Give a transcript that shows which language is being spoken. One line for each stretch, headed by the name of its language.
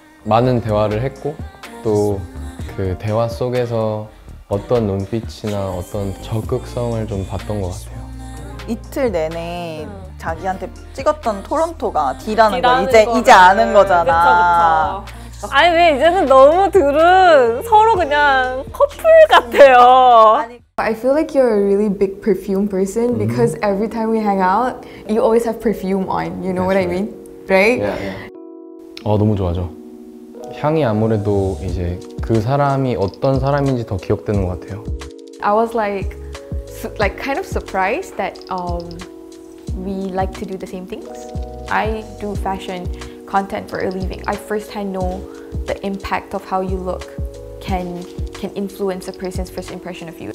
Korean: 많은 대화를 했고 또 그 대화 속에서 어떤 눈빛이나 어떤 적극성을 좀 봤던 것 같아요. 이틀 내내 자기한테 찍었던 토론토가 D라는 걸 이제 아는 거잖아. 그쵸. 아니 왜 이제는 너무 둘은 서로 그냥 커플 같아요.
English: I feel like you're a really big perfume person because every time we hang out, you always have perfume on. You know what I mean? Right? Yeah, yeah.
Korean: 너무 좋아하죠. 향이 아무래도 이제 그 사람이 어떤 사람인지 더 기억되는 것 같아요.
English: I was like kind of surprised that we like to do the same things. I do fashion content for a living. I firsthand know the impact of how you look can influence a person's first impression of you.